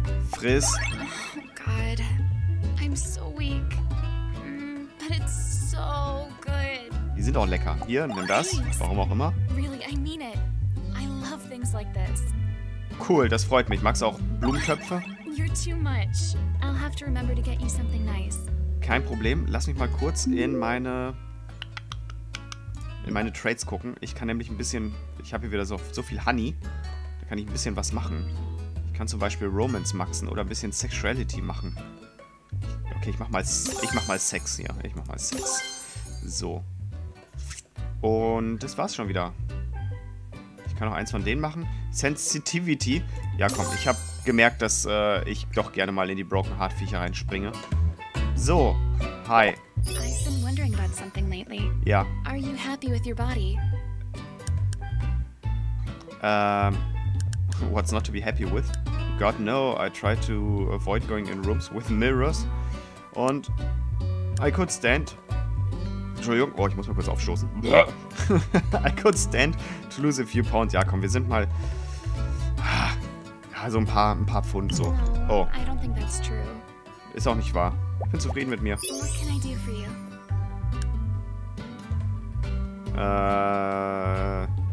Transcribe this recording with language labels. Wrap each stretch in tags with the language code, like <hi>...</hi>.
<de>Friss.</de> <en>Oh God. I'm so weak. But it's so good.</en> <de>Die sind auch lecker. Hier, nimm das. Warum auch immer.</de> <en>Really, I mean it. Things like this.</en> <de>Cool, das freut mich. Magst du auch Blumentöpfe?</de> <en>You're too much. I'll have to remember to get you something nice.</en> <de>Kein Problem. Lass mich mal kurz in meine Trades gucken. Ich kann nämlich ein bisschen... Ich habe hier wieder so viel Honey. Da kann ich ein bisschen was machen. Ich kann zum Beispiel Romance maxen oder ein bisschen Sexuality machen. Okay, ich mach mal Sex hier. Ich mach mal Sex. So. Und das war's schon wieder. Ich kann noch eins von denen machen. Sensitivity. Ja, komm, ich habe gemerkt, dass ich doch gerne mal in die Broken Heart Viecher reinspringe.</de> <en>So, hi. I've been wondering about something lately.</en> <de>Ja.</de> <en>Are you happy with your body? What's not to be happy with? God, no, I tried to avoid going in rooms with mirrors. And I could stand.</en> <de>Entschuldigung, oh, ich muss mal kurz aufstoßen.</de> <en>I could stand to lose a few pounds.</en> <de>Ja, komm, wir sind mal... Ja, Also ein paar Pfund so.</de> <en>No, oh. I don't think that's true.</en> <de>Ist auch nicht wahr. Ich bin zufrieden mit mir.</de> <en>What can I do for you?</en>